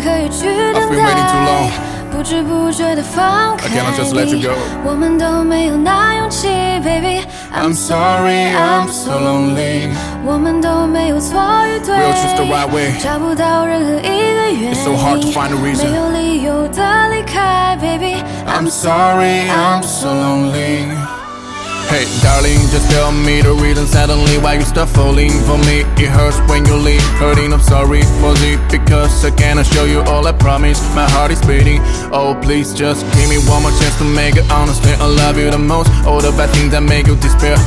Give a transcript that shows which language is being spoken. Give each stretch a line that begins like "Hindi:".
Chinese: 句等待，不知不觉地放开你。
English: I cannot just let you go.
Chinese: 我们都没有那勇气 baby.
English: I'm sorry, I'm so lonely.
Chinese: 我们都没有错与对，
English: we'll choose the right way.
Chinese: 找不到任何一个原因，
English: it's so hard to find a reason.
Chinese: 没有理由地离开 baby.
English: I'm sorry, I'm so lonely. Hey darling, just tell me the reason suddenly why you start falling for me. It hurts when you leave, hurting, I'm sorry for this. Because I cannot show you all I promise, my heart is beating. Oh please just give me one more chance to make it honest. I love you the most, all the bad things that make you despair.